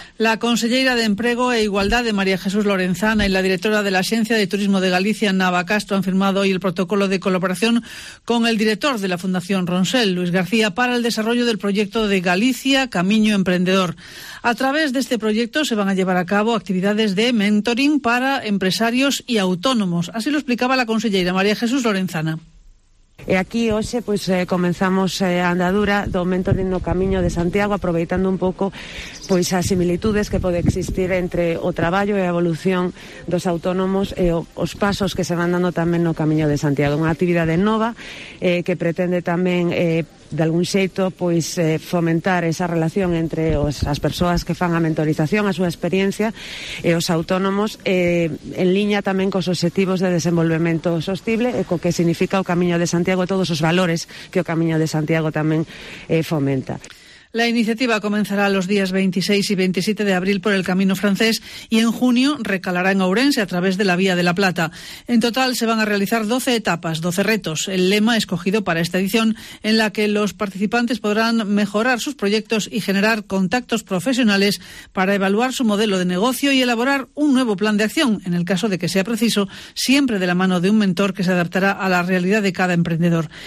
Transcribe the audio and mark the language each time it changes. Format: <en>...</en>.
<es>La consellera de Empleo e Igualdad de María Jesús Lorenzana y la directora de la Agencia de Turismo de Galicia, Nava Castro, han firmado hoy el protocolo de colaboración con el director de la Fundación Ronsell, Luis García, para el desarrollo del proyecto de Galicia Camiño Emprendedor. A través de este proyecto se van a llevar a cabo actividades de mentoring para empresarios y autónomos. Así lo explicaba la consellera María Jesús Lorenzana.</es> <gl>E aquí hoxe pois comenzamos a andadura do mentoring no Camiño de Santiago, aproveitando un pouco pois as similitudes que pode existir entre o traballo e a evolución dos autónomos e os pasos que se van dando tamén no Camiño de Santiago, unha actividade nova que pretende tamén de algún xeito pois fomentar esa relación entre as persoas que fan a mentorización, a súa experiencia e os autónomos en liña tamén cos obxectivos de desenvolvemento sostible e co que significa o Camiño de Santiago e todos os valores que o Camiño de Santiago tamén fomenta.</gl> <es>La iniciativa comenzará los días 26 y 27 de abril por el Camino Francés y en junio recalará en Ourense a través de la Vía de la Plata. En total se van a realizar 12 etapas, 12 retos, el lema escogido para esta edición, en la que los participantes podrán mejorar sus proyectos y generar contactos profesionales para evaluar su modelo de negocio y elaborar un nuevo plan de acción, en el caso de que sea preciso, siempre de la mano de un mentor que se adaptará a la realidad de cada emprendedor.</es>